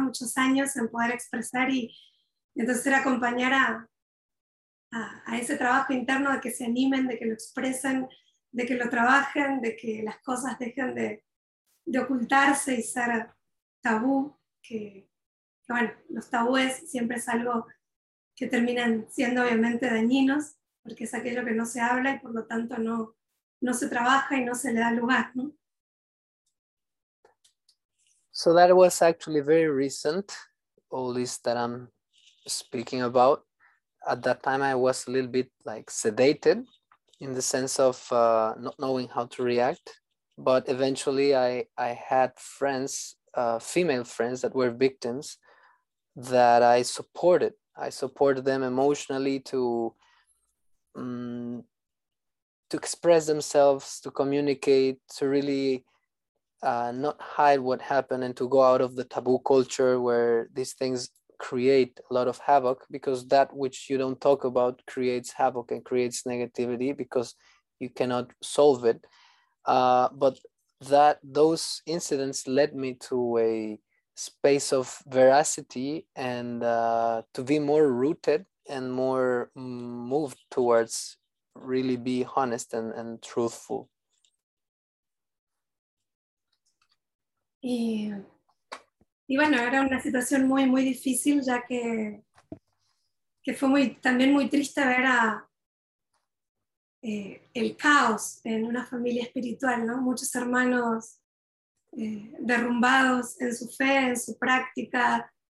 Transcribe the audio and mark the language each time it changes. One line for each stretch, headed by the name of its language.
Spanish: Muchos años en poder expresar y entonces era acompañar a ese trabajo interno de que se animen, de que lo expresen, de que lo trabajen, de que las cosas dejen de ocultarse y ser tabú, que bueno, los tabúes siempre es algo que terminan siendo obviamente dañinos, porque es aquello que no se habla y por lo tanto no se trabaja y no se le da lugar, ¿no?
English: So that was actually very recent, all this that I'm speaking about. At that time, I was a little bit like sedated in the sense of not knowing how to react. But eventually I had friends, female friends that were victims that I supported. I supported them emotionally to express themselves, to communicate, to really not hide what happened and to go out of the taboo culture where these things create a lot of havoc, because that which you don't talk about creates havoc and creates negativity because you cannot solve it. But that those incidents led me to a space of veracity and to be more rooted and more moved towards really be honest and truthful.
Spanish: Y bueno, era una situación muy, muy difícil, ya que fue muy, también muy triste ver el caos en una familia espiritual, ¿no? Muchos hermanos derrumbados en su fe, en su práctica,